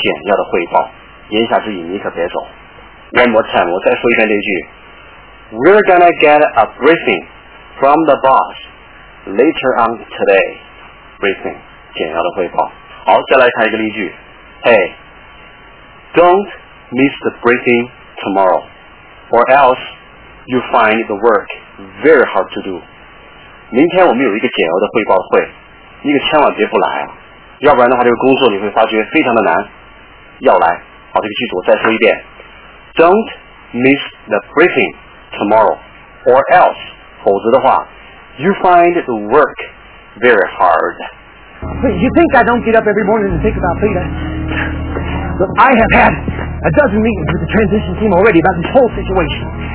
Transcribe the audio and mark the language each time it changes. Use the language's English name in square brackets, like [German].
[Chinese] 今天待会儿老板要给我们做一个简要的汇报，言下之意你可别走。 [English] One more time, [Chinese] 我再说一遍这句。 [English] We're gonna get a briefing from the boss later on today. [Chinese] Briefing, 简要的汇报。好，再来看一个例句。 [English] Hey, don't miss the briefing tomorrow, or else you find the work very hard to do. [Chinese] 明天我们有一个简要的汇报会，你可千万别不来啊，要不然的话这个工作你会发觉非常的难。要来，好，这个句子我再说一遍。 [English] Don't miss the briefing tomorrow, or else, [Chinese] 否则的话, [English] you find the work very hard. You think I don't get up every morning and think about Peter? Look, I have had a dozen meetings with the transition team already about this whole situation.